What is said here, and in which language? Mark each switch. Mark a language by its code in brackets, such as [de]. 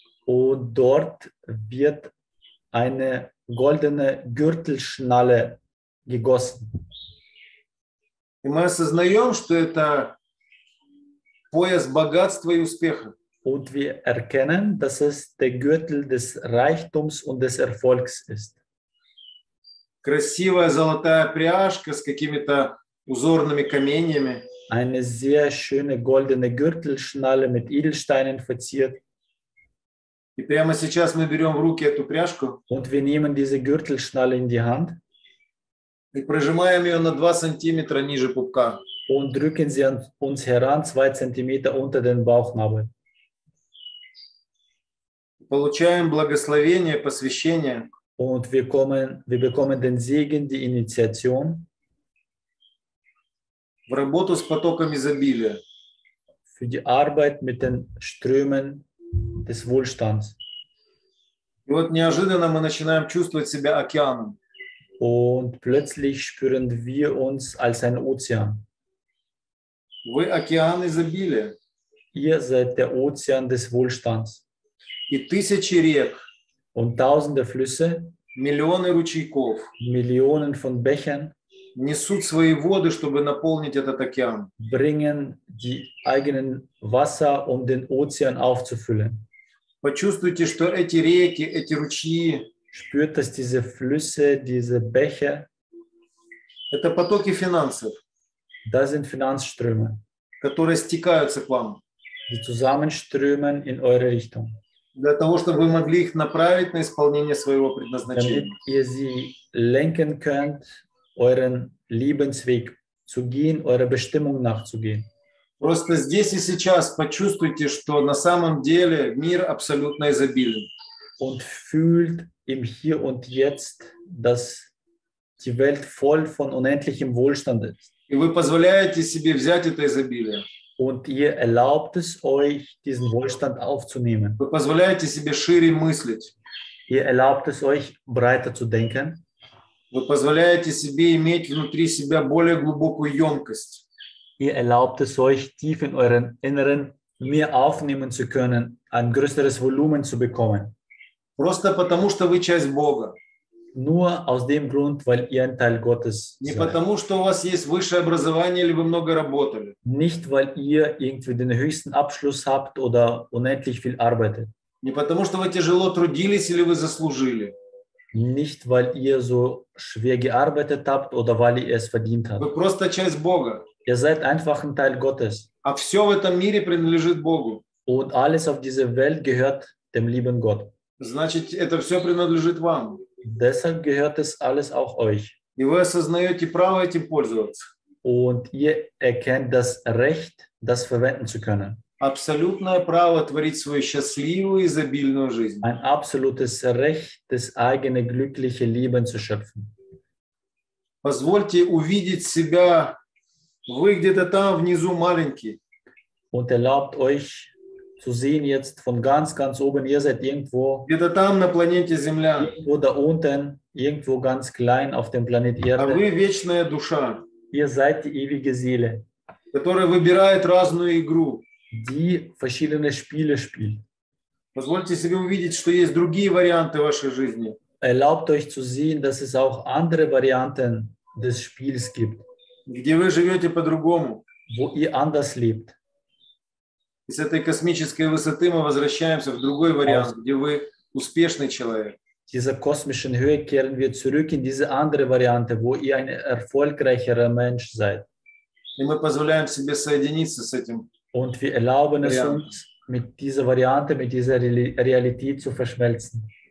[de] Und dort wird eine goldene Gürtelschnalle gegossen. [ru] И мы осознаем, что это пояс богатства и успеха. [de] Und wir erkennen, dass es der Gürtel des Reichtums und des Erfolgs ist. [ru] Красивая золотая пряжка с какими-то узорными каменями. [de] Eine sehr schöne goldene Gürtelschnalle mit Edelsteinen verziert. [ru] И прямо сейчас мы берем в руки эту пряжку. [de] Und wir nehmen diese Gürtelschnalle in die Hand. [ru] И прожимаем ее на 2 сантиметра ниже пупка. [de] Und drücken sie an uns heran 2 Zentimeter unter den Bauchnabel. [ru] Получаем благословение, посвящение. [de] Und wir bekommen den Segen, die Initiation. [ru] В работу с потоком изобилия. [de] Für die Arbeit mit den Strömen des Wohlstands. [ru] И вот неожиданно мы начинаем чувствовать себя океаном. [de] Und plötzlich spüren wir uns als ein Ozean. [ru] Вы океан изобилия. [de] Ihr seid der Ozean des Wohlstands. [ru] И тысячи рек. [de] Und tausende Flüsse. [ru] Миллионы ручейков. [de] Millionen von Bächen. [ru] Несут свои воды, чтобы наполнить этот океан. [de] Bringen die eigenen Wasser, um den Ozean aufzufüllen. [ru] Почувствуйте, что эти реки, эти ручьи. [de] Spürt, dass diese Flüsse, diese Bäche. [ru] Это потоки финансов. [de] Das sind Finanzströme. [ru] Которые стекаются к вам. [de] Die zusammenströmen in eure Richtung. [ru] Для того, чтобы вы могли их направить на исполнение своего предназначения. [de] Damit ihr sie lenken könnt, euren Lebensweg zu gehen, eurer Bestimmung nachzugehen. [ru] Просто здесь и сейчас почувствуйте, что на самом деле мир абсолютно изобилен. [de] Und fühlt im Hier und Jetzt, dass die Welt voll von unendlichem Wohlstand ist. [ru] И вы позволяете себе взять это изобилие. [de] Und ihr erlaubt es euch, diesen Wohlstand aufzunehmen. [ru] Вы позволяете себе шире мыслить. [de] Ihr erlaubt es euch, breiter zu denken. [ru] Вы позволяете себе иметь внутри себя более глубокую емкость. [de] Ihr erlaubt es euch, tief in euren Inneren mehr aufnehmen zu können, ein größeres Volumen zu bekommen. [ru] Просто потому, что вы часть Бога. [de] Nur aus dem Grund, weil ihr ein Teil Gottes seid. [ru] Не потому, что у вас есть высшее образование или вы много работали. [de] Nicht, weil ihr irgendwie den höchsten Abschluss habt oder unendlich viel arbeitet. [ru] Не потому, что вы тяжело трудились или вы заслужили. [de] Nicht, weil ihr so schwer gearbeitet habt oder weil ihr es verdient habt. [ru] Вы просто часть Бога. [de] Ihr seid einfach ein Teil Gottes. [ru] А все в этом мире принадлежит Богу. [de] Und alles auf dieser Welt gehört dem lieben Gott. [ru] Значит, это все принадлежит вам. [de] Deshalb gehört es alles auch euch. [ru] И вы осознаете право этим пользоваться. [de] Und ihr erkennt das Recht, das verwenden zu können. [ru] Абсолютное право творить свою счастливую и изобильную жизнь. [de] Ein absolutes Recht, das eigene glückliche Leben zu schöpfen. [ru] Позвольте увидеть себя, вы где-то там внизу маленький. [de] Und erlaubt euch zu sehen jetzt von ganz, ganz oben, ihr seid irgendwo, [ru] где-то там, на планете Земля, [de] irgendwo da unten, irgendwo ganz klein auf dem Planet Erde. [ru] А вы вечная душа, [de] ihr seid die ewige Seele, [ru] которая выбирает разную игру, [de] die verschiedene Spiele spielt. [ru] Позвольте себе увидеть, что есть другие варианты вашей жизни. [de] Erlaubt euch zu sehen, dass es auch andere Varianten des Spiels gibt. [ru] Где вы живете по-другому. [de] Wo ihr anders lebt. [ru] И с этой космической высоты мы возвращаемся в другой вариант, где вы успешный человек. [de] dieser kosmischen Höhe kehren wir zurück in diese andere Variante, wo ihr ein erfolgreicherer Mensch seid. [ru] И мы позволяем себе соединиться с этим. [de] Und wir erlauben es uns, mit dieser Variante, mit dieser Realität zu verschmelzen.